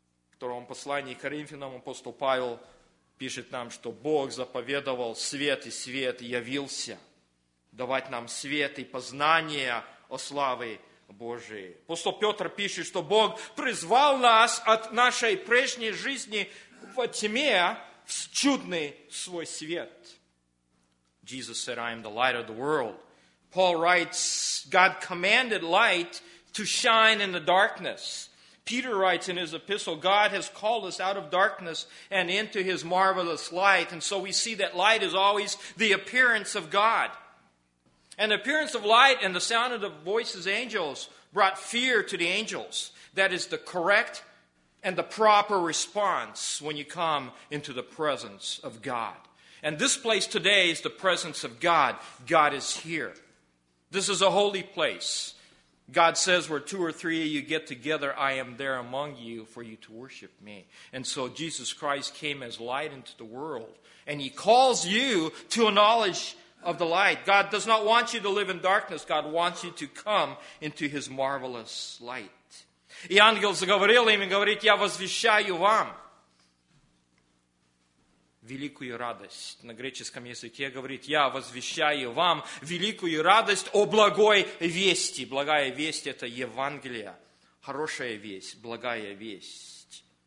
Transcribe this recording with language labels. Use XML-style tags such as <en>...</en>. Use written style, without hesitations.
<ru>В втором послании к Коринфянам апостол Павел пишет нам, что Бог заповедовал свет, и свет явился давать нам свет и познание о славе Божией. Апостол Петр пишет, что Бог призвал нас от нашей прежней жизни во тьме в чудный свой свет.</ru> <en>Jesus said, I am the light of the world. Paul writes, God commanded light to shine in the darkness. Peter writes in his epistle, God has called us out of darkness and into his marvelous light. And so we see that light is always the appearance of God. And the appearance of light and the sound of the voices of angels brought fear to the angels. That is the correct and the proper response when you come into the presence of God. And this place today is the presence of God. God is here. This is a holy place. God says, where two or three of you get together, I am there among you for you to worship me. And so Jesus Christ came as light into the world. And he calls you to a knowledge of the light. God does not want you to live in darkness. God wants you to come into his marvelous light.</en> <ru>И ангел заговорил им и говорит, я возвещаю вам великую радость. На греческом языке говорит, я возвещаю вам великую радость о благой вести. Благая весть – это Евангелие. Хорошая весть, благая весть.</ru>